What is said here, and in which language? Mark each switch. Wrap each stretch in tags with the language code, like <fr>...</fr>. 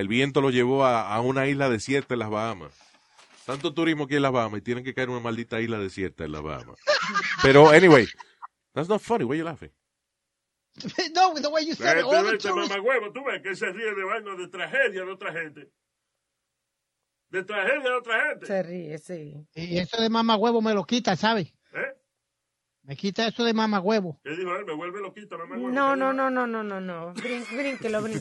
<es>El viento los llevó a una isla desierta en las Bahamas. Tanto turismo que en las Bahamas y tienen que caer en una maldita isla desierta en las Bahamas.</es> <en>Pero, anyway, that's not funny. Why are you laughing? No, the way you said it, all the tourists...</en> <es>Mamagüevo, tú ves que se ríe de vaina de tragedia de otra gente. De tragedia de otra gente. Se ríe, sí. Y eso de mamagüevo me lo quita, ¿sabes? ¿Eh? Me quita eso de mamagüevo. ¿Qué dijo él? Me vuelve loquita, mamagüevo. No. Brínquelo.</es>